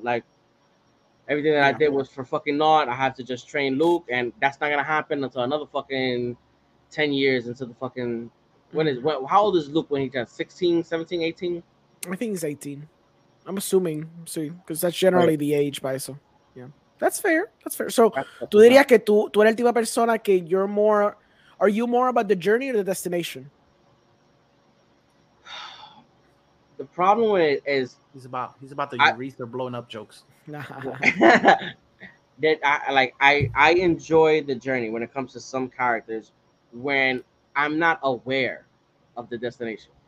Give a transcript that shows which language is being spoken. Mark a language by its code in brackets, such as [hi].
[en] Like, everything that I did was for fucking naught. I have to just train Luke, and that's not going to happen until another fucking 10 years into the fucking... When is, when, how old is Luke when he turns? 16, 17, 18? I think he's 18. I'm assuming. See, because that's generally the age, by so. Yeah. That's fair. That's fair. [es] So, tú dirías que tú eres el tipo de persona que you're more... [en] Are you more about the journey or the destination? The problem with it is... He's about the urethra blowing up jokes. That I enjoy the journey when it comes to some characters when I'm not aware of the destination.